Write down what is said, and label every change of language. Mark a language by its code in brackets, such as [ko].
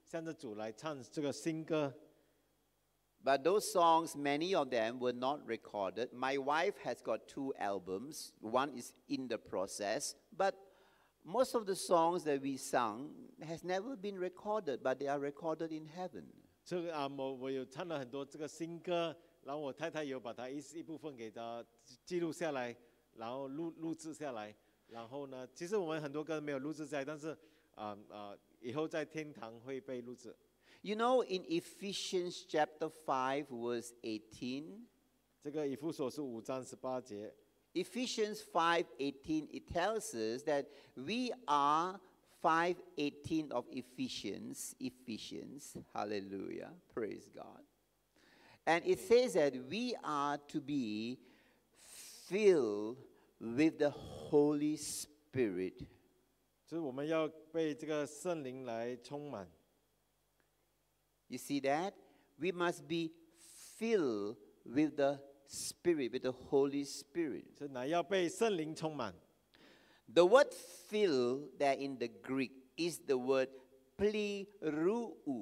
[zh] 就我好像一个诗人哈，就早上我们也可以对向着主来唱这个新歌。 [en] But those songs, many of them were not recorded. My wife has got 2 albums. One is in the process, but most of the songs that we sung has never been recorded, but they are recorded in heaven. [zh] 这个我有唱了很多这个新歌，然后我太太有把它一部分给它记录下来，然后录制下来。然后呢，其实我们很多歌没有录制下来，但是以后在天堂会被录制。 [en] You know, in Ephesians chapter 5, verse 18, [zh] 这个以弗所书5章18节, [en] Ephesians 5:18, it tells us that we are 5:18 of Ephesians, hallelujah, praise God. And it says that we are to be filled with the Holy Spirit. [zh] 就是我们要被这个圣灵来充满。 [en] You see that? We must be filled with the Spirit, with the Holy Spirit. [zh] 是哪要被圣灵充满。 [en] The word fill there in the Greek is the word pleroo.